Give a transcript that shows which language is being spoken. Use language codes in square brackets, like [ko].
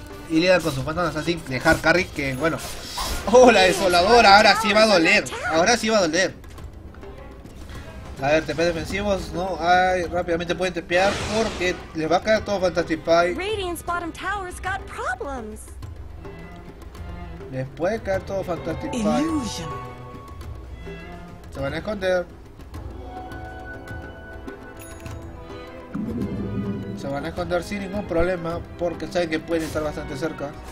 [es] Y Lidia con sus fantasmas así, dejar carry, que bueno. ¡Oh, la desoladora! Ahora sí va a doler. Ahora sí va a doler. A ver, TP defensivos, ¿no? Ay, rápidamente pueden tepear porque les va a caer todo Fantastic Five. [en] Radiant's bottom tower's got problems. [es] Les puede caer todo Fantastic Five. Se van a esconder. Se van a esconder sin ningún problema porque saben que pueden estar bastante cerca.